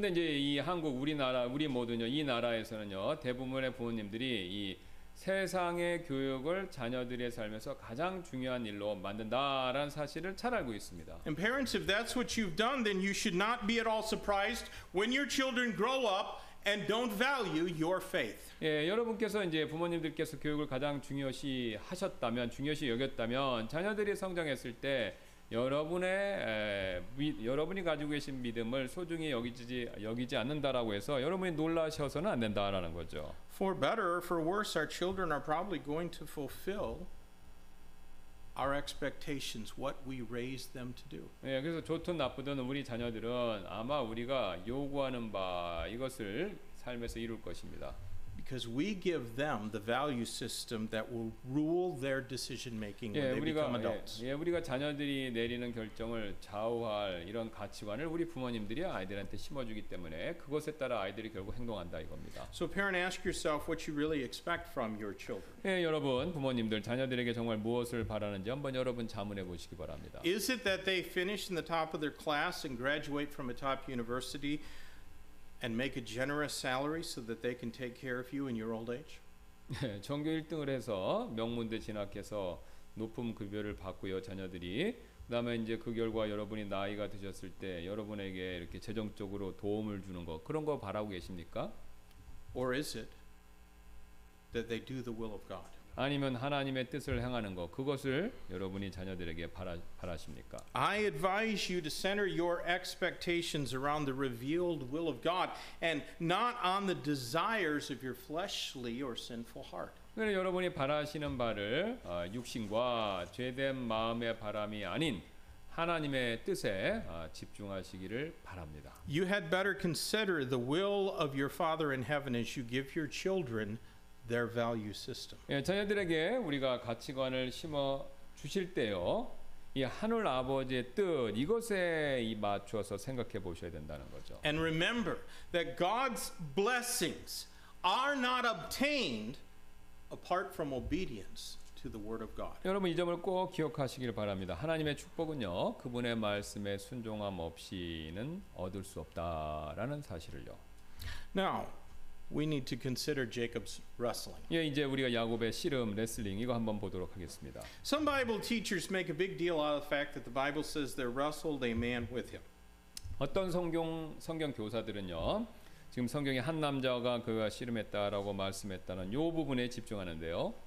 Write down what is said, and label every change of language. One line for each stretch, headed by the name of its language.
Korean: 근데 이제 이 한국 우리나라 우리 모두요. 이 나라에서는요. 대부분의 부모님들이 이 세상의 교육을 자녀들의 삶에서 가장 중요한 일로 만든다라는 사실을 잘 알고 있습니다.
English: And parents, if that's what you've done, then you should not be at all surprised when your children grow up and don't value your faith.
Korean: 예, 여러분께서 이제 부모님들께서 교육을 가장 중요시 하셨다면, 중요시 여겼다면 자녀들이 성장했을 때 여러분이 가지고 계신 믿음을 소중히 여기지 않는다라고 해서 여러분이 놀라셔서는 안 된다라는 거죠.
English: For better or for worse, our children are probably going to fulfill our expectations, what we raise them to do.
Korean: 예, 그래서 좋든 나쁘든 우리 자녀들은 아마 우리가 요구하는 바 이것을 삶에서 이룰 것입니다.
English: Because we give them the value system that will rule their decision making when they become adults.
Korean: 예, 우리가 자녀들이 내리는 결정을 좌우할 이런 가치관을 우리 부모님들이 아이들한테 심어주기 때문에 그것에 따라 아이들이 결국 행동한다 이겁니다.
English: So parents, ask yourself what you really expect from your children.
Korean: 예, 여러분 부모님들 자녀들에게 정말 무엇을 바라는지 한번 여러분 자문해 보시기 바랍니다.
English: Is it that they finish in the top of their class and graduate from a top university? And make a generous salary so that they can take care of you in your old age.
Korean: 전교 1등을 해서 명문대 진학해서 높은 급여를 받고요 자녀들이 그다음에 이제 그 결과 여러분이 나이가 드셨을 때 여러분에게 이렇게 재정적으로 도움을 주는 거 그런 거 바라고 계십니까?
English: Or is it that they do the will of God?
Korean: 아니면 하나님의 뜻을 행하는 것 그것을 여러분이 자녀들에게 바라십니까?
English: I advise you to center your expectations around the revealed will of God and not on the desires of your fleshly or sinful heart.
Korean: 그러니까 여러분이 바라시는 바를 육신과 죄된 마음의 바람이 아닌 하나님의 뜻에 집중하시기를 바랍니다.
English: You had better consider the will of your Father in heaven as you give your children their value system.
Korean: 예, 자녀들에게 우리가 가치관을 심어 주실 때요. 이 하늘 아버지의 뜻 이것에 맞춰서 생각해 보셔야 된다는 거죠.
English: And remember that God's blessings are not obtained apart from obedience to the word of God.
Korean: 여러분 이 점을 꼭 기억하시기를 바랍니다. 하나님의 축복은요, 그분의 말씀에 순종함 없이는 얻을 수 없다라는 사실을요.
English: Now we need to consider Jacob's wrestling.
Korean: 예, 이제 우리가 야곱의 씨름, 레슬링 이거 한번 보도록 하겠습니다.
English: Some Bible teachers make a big deal out of the fact that the Bible says there wrestled a man with him.
Korean: 어떤 성경 교사들은요, 지금 성경에 한 남자가 그와 씨름했다라고 말씀했다는 요 부분에 집중하는데요.